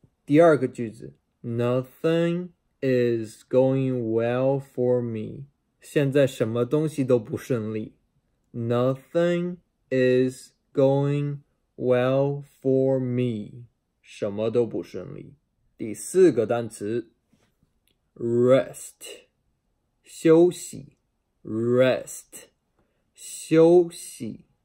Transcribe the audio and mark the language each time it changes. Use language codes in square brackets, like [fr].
[zh] 第二个句子， [en] Nothing is going well for me。 [zh] 现在什么东西都不顺利。 [en] Nothing is going well for me， [zh] 什么都不顺利。第四个单词，rest，休息，rest，休息。